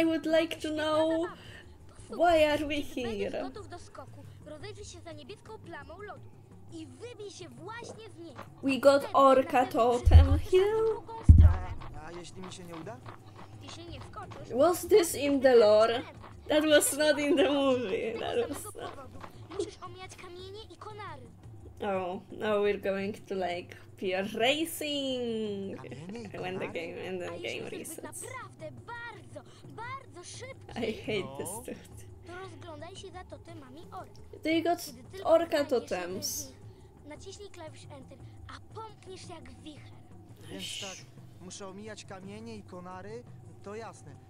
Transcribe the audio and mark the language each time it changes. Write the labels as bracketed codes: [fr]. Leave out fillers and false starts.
[en] I would like to know why are we here? [pl] Gotów do skoku. Rozejrzyj się za niebieską plamą lodu i wybij się właśnie w niej. [en] We got orka totem here. [pl] A jeśli mi się nie uda? Ty się nie wskoczysz. [en] Was this in the lore? That was not in the movie. That was not. [pl] Musisz omijać kamienie i konary. [en] Oh, now we're going to like pier racing. When the game and then game resets. [pl] Naprawdę bardzo szybko. [en] I hate this dude. [pl] To rozglądaj się za totemami orka. [en] They got orka totems. [pl] Naciśnij klawisz enter, a pomkniesz jak wicher. Więc tak, muszę omijać kamienie i konary, to jasne.